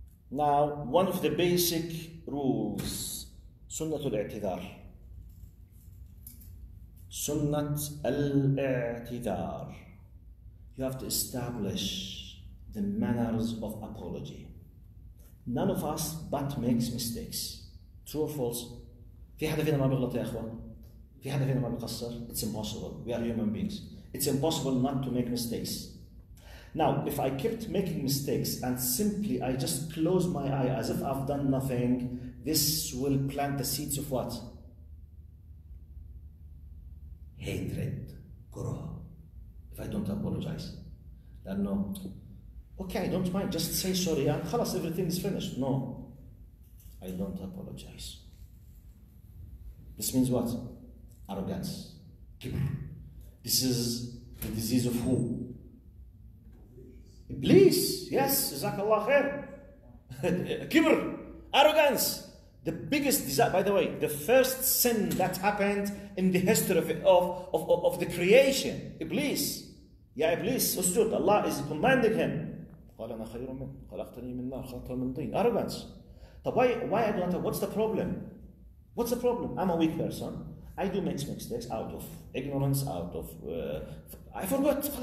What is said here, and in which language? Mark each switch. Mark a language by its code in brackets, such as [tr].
[en] Now, one of the basic rules, Sunnah al-i'tidar. Sunnah al-i'tidar. You have to establish the manners of apology. None of us but makes mistakes. True or false? [ar] في حد فينا ما بغلط يا أخوان؟ في حد فينا ما بقصر؟ [en] It's impossible. We are human beings. It's impossible not to make mistakes. Now, if I kept making mistakes and simply I just close my eye as if I've done nothing, this will plant the seeds of what? Hatred. Kuroha. If I don't apologize, then no. Okay, I don't mind, just say sorry and khalas, everything is finished. No, I don't apologize. This means what? Arrogance. This is the disease of who? Iblis. Yes, Jazakallah khair. Kibr, arrogance. The biggest desire, by the way, the first sin that happened in the history of the creation. Iblis. Ya Iblis, usjud. Allah is commanding him. [ar] قال أنا خير من خلقتني من نار خلقتني من طين. [en] Arrogance. طب why I don't have, what's the problem? What's the problem? I'm a weak person. I do make mistakes out of ignorance, out of I forgot.